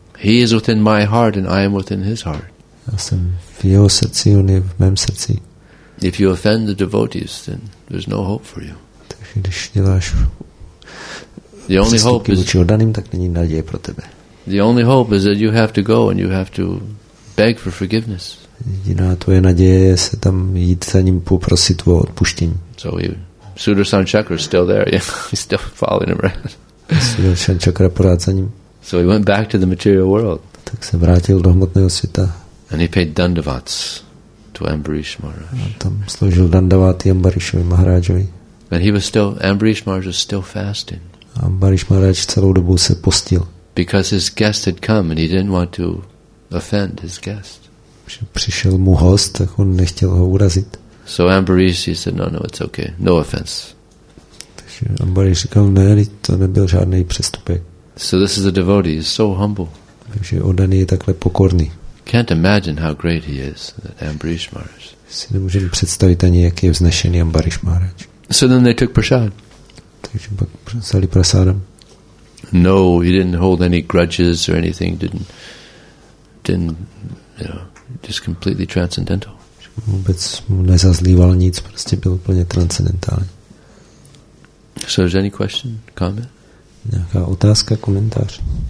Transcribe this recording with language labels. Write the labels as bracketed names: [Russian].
[English] He is within my heart and I am within his heart. [Czech] Já jsem v jeho srdci, on je v mém srdci. [English] If you offend the devotees, then there's no hope for you. [Czech] Takže když děláš [English] the only hope is [Czech] oddaným, tak není naděje pro tebe. [English] The only hope is that you have to go and you have to beg for forgiveness. [Czech] Jediná tvoje naděje je se tam jít za ním poprosit o odpuštění. [English] So Sudarshan Chakra is still there. Yeah, he's still following him around. [Czech] Sudarshan Chakra pořád za ním. [English] So he went back to the material world. [Czech] Tak se vrátil do hmotného světa. [English] And he paid dandavats to Ambarish Maharaj. [Czech] A tam sloužil dandavaty Ambarishovi Maharajovi. [English] And he was still, Ambarish Maharaj was still fasting. [Czech] Ambarish Maharaj celou dobu se postil. [English] Because his guest had come and he didn't want to offend his guest. [Czech] Přišel mu host, tak on nechtěl ho urazit. [English] So Ambarish, he said, no, it's okay, no offense. [Czech] Takže Ambarish říkal, ne, to nebyl žádný přestupek. [English] So this is a devotee, he's so humble. [Czech] Takže oddaný je takhle pokorný. [English] Can't imagine how great he is, that Ambarish Maharaj. [Czech] Si nemůžeme představit ani, jak je vznešený Ambarish Maharaj. [English] So then they took prasad. [Czech] Takže pak vzali prasádem. [English] No, he didn't hold any grudges or anything, didn't just completely transcendental. [Czech] Vůbec mu nezazlíval nic, prostě byl úplně transcendentální. [English] So is any question, comment? [Czech] Nějaká otázka, komentář?